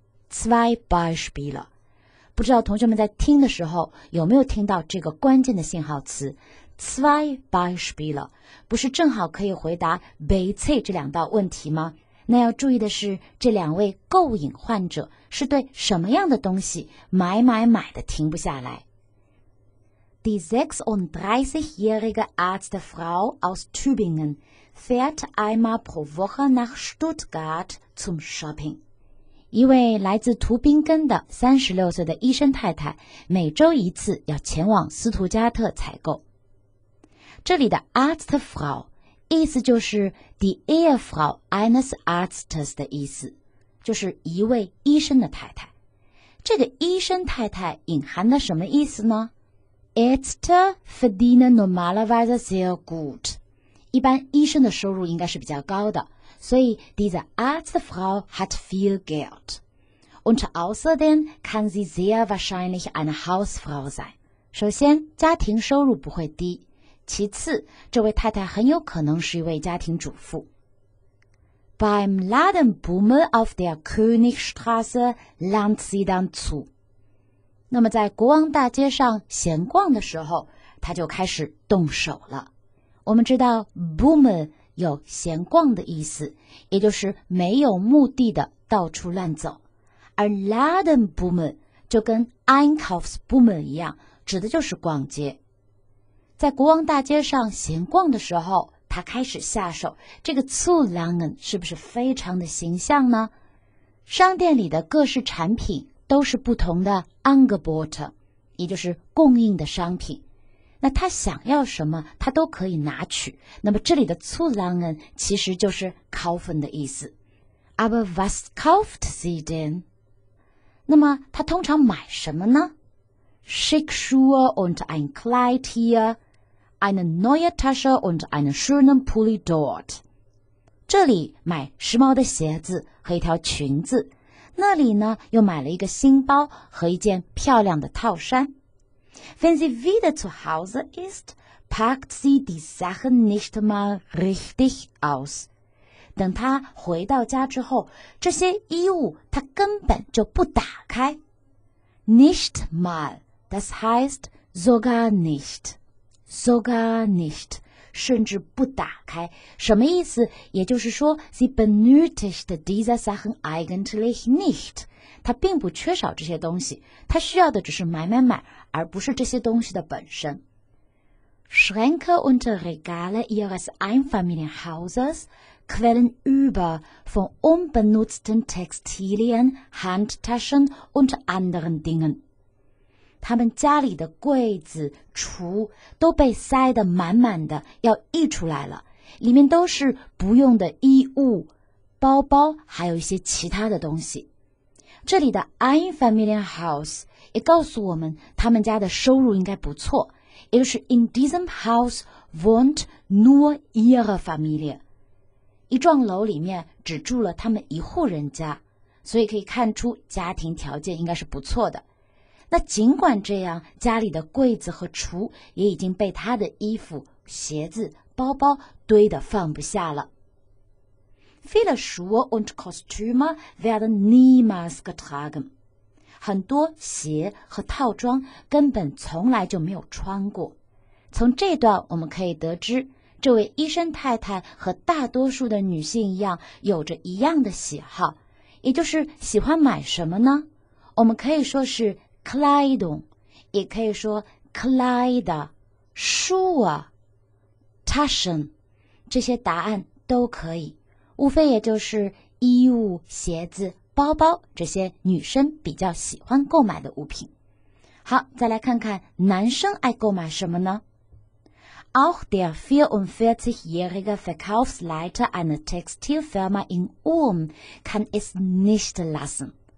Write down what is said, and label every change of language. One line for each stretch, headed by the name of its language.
German: Zwei Beispiele，
Chinese: 不知道同学们在听的时候有没有听到这个关键的信号词Zwei Beispiele， 不是正好可以回答 Beize 这两道问题吗？那要注意的是，这两位购瘾患者是对什么样的东西买买买的停不下来。
German: Die 36-jährige Arztfrau aus Tübingen fährt einmal pro Woche nach Stuttgart zum Shopping.
Chinese: 一位来自图宾根的36岁的医生太太，每周一次要前往斯图加特采购。这里的 Arztfrau意思就是
German: die Ehefrau eines Arztes
Chinese: 的意思，就是一位医生的太太。这个医生太太隐含了什么意思呢？
German: Ärzte verdienen normalerweise sehr gut，
Chinese: 一般医生的收入应该是比较高的，所以
German: diese Arztfrau hat viel Geld und außerdem kann sie sehr wahrscheinlich eine Hausfrau sein。
Chinese: 首先家庭收入不会低，其次，这位太太很有可能是一位家庭主妇。
German: Beim Ladenbummel auf der Königstraße langt sie dann zu。
Chinese: 那么在国王大街上闲逛的时候，他就开始动手了。我们知道 Bummel 有闲逛的意思，也就是没有目的的到处乱走。而 Ladenbummel 就跟 Einkaufsbummel 一样，指的就是逛街。在国王大街上闲逛的时候，他开始下手。这个 zu langen 是不是非常的形象呢？商店里的各式产品都是不同的 Angebote， 也就是供应的商品。那他想要什么，他都可以拿取。那么这里的 zu langen 其实就是 kaufen 的意思。
German: Aber was kauft sie denn？
Chinese: 那么他通常买什么呢？
German: Schick Schuhe und ein Kleid hier, eine neue Tasche und einen schönen Pulli dort.
Chinese: 这里买时髦的鞋子和一条裙子，那里呢又买了一个新包和一件漂亮的套衫。
German: Wenn sie wieder zu Hause ist, packt sie die Sachen nicht mal richtig aus.
Chinese: 等她回到家之后，这些衣物她根本就不打开。
German: Nicht mal. Das heißt sogar nicht. Sogar nicht
Chinese: 甚至不打开。什么意思？也就是说
German: sie benötigt diese Sachen eigentlich nicht.
Chinese: 她并不缺少这些东西，她需要的只是买买买，而不是这些东西的本身。
German: Schränke und Regale ihres Einfamilienhauses quellen über von unbenutzten Textilien, Handtaschen und anderen Dingen.
Chinese: 他们家里的柜子、橱都被塞得满满的，要溢出来了，里面都是不用的衣物、包包，还有一些其他的东西。这里的 Einfamilienhaus 也告诉我们，他们家的收入应该不错。也就是
German: in diesem Haus wohnt nur ihre Familie.
Chinese: 一幢楼里面只住了他们一户人家，所以可以看出家庭条件应该是不错的。那尽管这样，家里的柜子和橱也已经被他的衣服、鞋子、包包堆得放不下了。
German: Viele Schuhe und Kostüme werden niemals getragen.
Chinese: 很多鞋和套装根本从来就没有穿过。从这段我们可以得知，这位医生太太和大多数的女性一样，有着一样的喜好，也就是喜欢买什么呢？我们可以说是 Kleidung， 也可以说 Kleider， Schuhe， Taschen， 这些答案都可以，无非也就是衣物、鞋子、包包这些女生比较喜欢购买的物品。好，再来看看男生爱购买什么呢？
German: Auch der 44-jährige Verkaufsleiter einer Textilfirma in Ulm kann es nicht lassen.